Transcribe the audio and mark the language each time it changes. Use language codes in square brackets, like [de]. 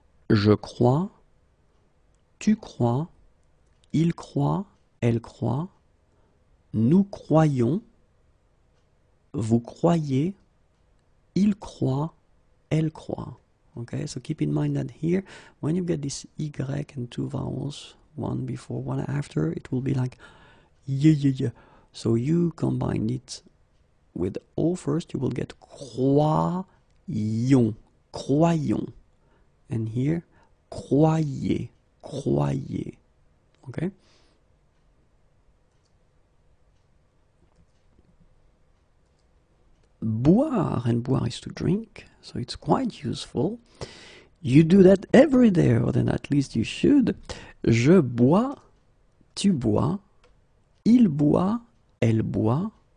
[fr] Je crois, tu crois, il croit, elle croit, nous croyons, vous croyez, il croit, elle croit. [en] Okay, so keep in mind that here, when you get this Y and two vowels, one before, one after, it will be like yeah. So you combine it with O first, you will get [fr] croyons. Croyons. [en] And here, [fr] croyez, croyez. [en] Okay? Boire, and boire is to drink, so it's quite useful. You do that every day, or then at least you should. [fr] Je bois, tu bois, il boit, elle boit.